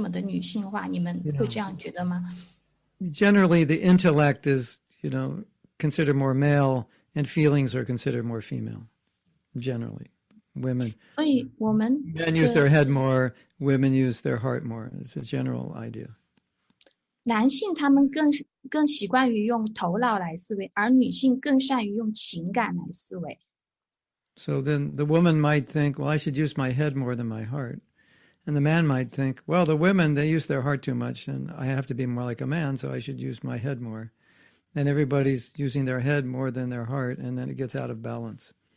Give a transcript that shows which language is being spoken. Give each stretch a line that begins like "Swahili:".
Chinese: 对于这个哲学来说，我认为它更多的是一个男性的运动，而不是一个女性的运动。所以，当你深入到这种哲学当中的话，其实你更加偏向男性化，而没有那么的女性化。你们会这样觉得吗？
English: Generally, the intellect is, you know, considered more male, and feelings are considered more female. Generally, women.
Chinese: 所以我们,
English: men use their head more. Women use their heart more. It's a general idea.
Chinese: 男性他们更习惯于用头脑来思维，而女性更善于用情感来思维。So
English: then the woman might think, well, I should use my head more than my heart. And the man might think, well, the women, they use their heart too much, and I have to be more like a man, so I should use my head more. And everybody's using their head more than their heart, and then it gets out of balance.